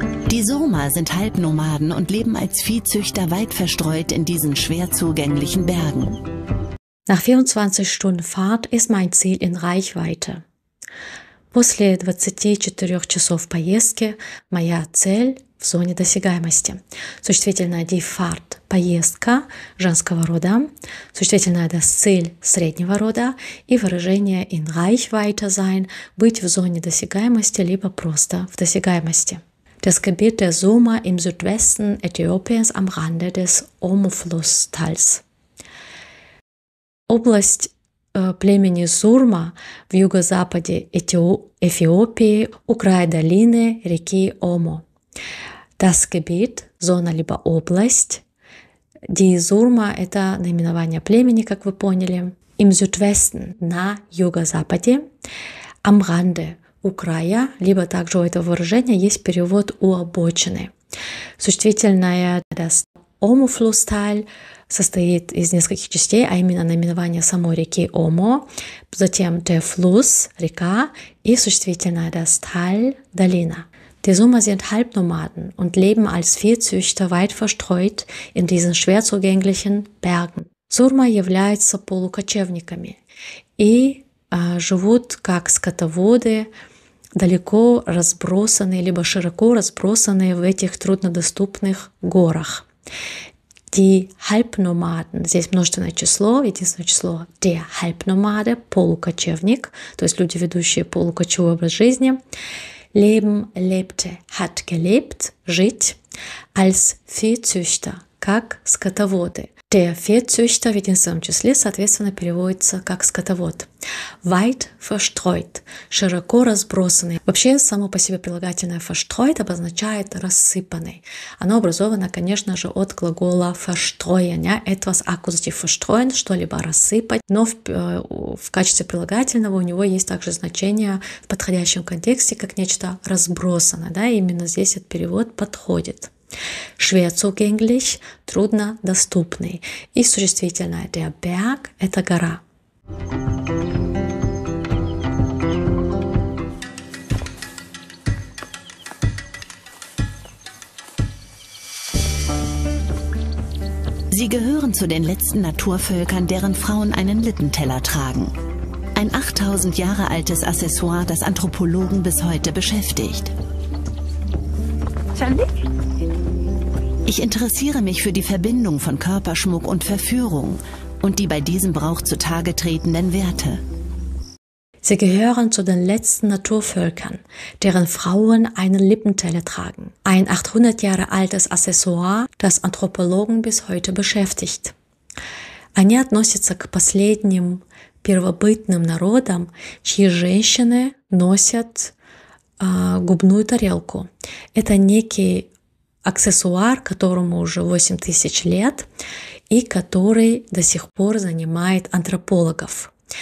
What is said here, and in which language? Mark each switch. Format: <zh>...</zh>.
<de>Die Surma sind Halbnomaden und leben als Viehzüchter weit verstreut in diesen schwer zugänglichen Bergen. Nach 24 Stunden Fahrt ist mein Ziel in Reichweite.</de> <ru>После 24 часов поездки моя цель в зоне досягаемости. Существительное die Fahrt, поездка женского рода. Существительное das Ziel среднего рода. И выражение</ru> <de>in Reichweite sein,</de> <ru>быть в зоне досягаемости, либо просто в досягаемости.</ru> <de>Das Gebiet der Surma im Südwesten Äthiopiens am Rande des Omo-Flusstals.</de> <ru>Область племени Сурма в юго-западе Эфиопии у края долины реки Омо. Das Gebiet, зона либо область. Die Surma – это наименование племени, как вы поняли.</ru> <de>Im Südwesten</de> <ru>– на юго-западе.</ru> <de>Am Rande</de> <ru>– у края. Либо также у этого выражения есть перевод «у обочины». Существительное das Omo-Flusstal состоит из нескольких частей, а именно наименование самой реки Омо, затем der Fluss, река, и существительное das Tal, долина.</ru> <de>Die Surma sind Halbnomaden und leben als Viehzüchter weit verstreut in diesen schwer zugänglichen Bergen.</de> <ru>Surma являются полукочевниками и живут как скотоводы, далеко разбросанные, либо широко разбросанные в этих труднодоступных горах.</ru> <de>Die Halbnomaden,</de> <ru>здесь множественное число, единственное число</ru> <de>der Halbnomade,</de> <ru>полукочевник, то есть люди, ведущие полукочевой образ жизни,</ru> <de>leben, lebte, hat gelebt,</de> <ru>жить,</ru> <de>als Viehzüchter,</de> <ru>как скотоводы. Der Viehzüchter в единственном числе, соответственно, переводится как скотовод.</ru> <de>Weit verstreut,</de> <ru>широко разбросанный. Вообще, само по себе прилагательное verstreut обозначает рассыпанный. Оно образовано, конечно же, от глагола verstreuen.</ru> <de>Etwas akkusativ verstreuen,</de> <ru>что-либо рассыпать. Но в качестве прилагательного у него есть также значение в подходящем контексте, как нечто разбросанное. Да? Именно здесь этот перевод подходит.</ru> <de>Schwer zugänglich,</de> <ru>трудно доступный. И существительное der Berg – это гора.</ru> <de>Sie gehören zu den letzten Naturvölkern, deren Frauen einen Lippenteller tragen. Ein 8000 Jahre altes Accessoire, das Anthropologen bis heute beschäftigt. Charlie? Ich interessiere mich für die Verbindung von Körperschmuck und Verführung und die bei diesem Brauch zutage tretenden Werte. Sie gehören zu den letzten Naturvölkern, deren Frauen einen Lippenteller tragen. Ein 800 Jahre altes Accessoire, das Anthropologen bis heute beschäftigt.</de> <ru>Они относятся к последним первобытным народам, чьи женщины носят губную тарелку. Это некий аксессуар, которому уже 8000 лет, и который до сих пор занимает антропологов.</ru>